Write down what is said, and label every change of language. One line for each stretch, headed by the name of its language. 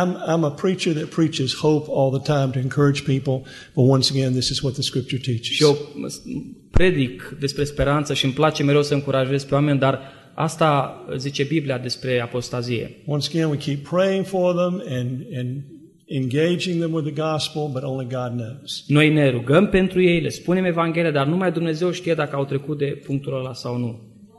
English: I'm a preacher that preaches hope all the time to encourage people, but once again, this is what the Scripture teaches.
Romanian: Și eu predic despre speranță și îmi place mereu să încurajez pe oameni, dar asta zice Biblia despre apostazie.
English: Once again, we keep praying for them and engaging them with the gospel, but only God knows.
Romanian: Noi ne rugăm pentru ei, le spunem Evanghelia, dar numai Dumnezeu știe dacă au trecut de punctul ăla sau nu.